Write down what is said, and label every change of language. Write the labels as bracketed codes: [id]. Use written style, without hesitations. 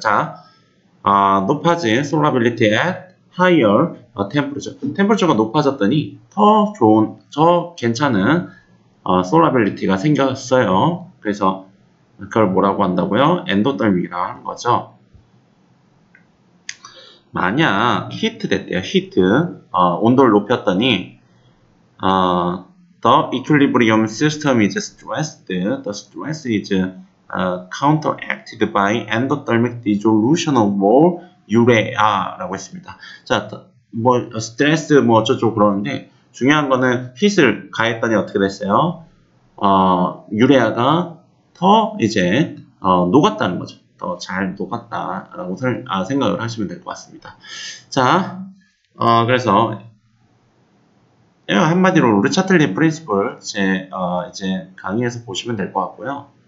[ko] 자, 높아진 [en] solubility at higher temperature. [ko] temperature가 높아졌더니 더 좋은, 더 괜찮은 solubility가 생겼어요. 그래서 그걸 뭐라고 한다고요? 엔도텔믹이라고 하는 거죠. 만약 히트 됐대요. 히트. 온도를 높였더니 [en] the equilibrium system is stressed. The stress is counteracted by endothermic dissolution of more urea라고 했습니다. [ko] 자, 뭐 스트레스 뭐 어쩌고 그러는데 중요한 거는 히트를 가했더니 어떻게 됐어요? 유레아가 더 이제 녹았다는 거죠. 더잘 녹았다라고 생각을 하시면 될것 같습니다. 자, 그래서 한마디로 르차틀리 프린시플 이제 강의에서 보시면 될것 같고요.